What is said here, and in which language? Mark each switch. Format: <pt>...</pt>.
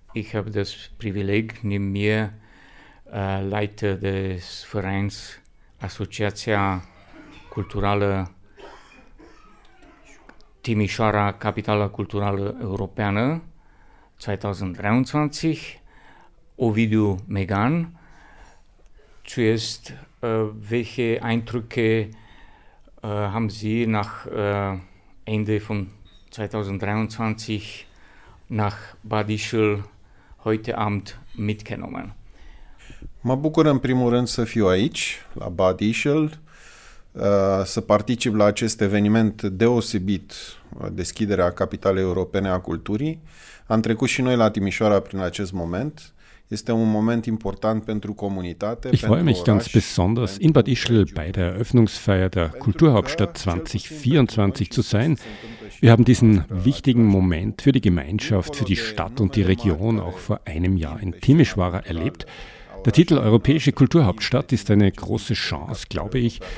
<de>Ich habe das Privileg, neben mir Leiter des Vereins Asociația Culturală Timișoara, Capitala Culturală Europeană 2023, Ovidiu Megan. Zuerst, welche Eindrücke haben Sie nach Ende von 2023 nach Bad Ischl heute Abend mitgenommen?</de> <ro>Mă bucur în primul rând să fiu aici, la Bad Ischl, să particip la acest eveniment deosebit, deschiderea Capitalei Europene a Culturii. Am trecut și noi la Timișoara prin acest moment. Este un moment important pentru comunitate,</ro> <de>ich freue mich ganz besonders, in Bad Ischl bei der Eröffnungsfeier der Kulturhauptstadt 2024 zu sein. Wir haben diesen wichtigen Moment für die Gemeinschaft, für die Stadt und die Region auch vor einem Jahr in Timișoara erlebt. Der Titel Europäische Kulturhauptstadt ist eine große Chance, glaube ich.</de>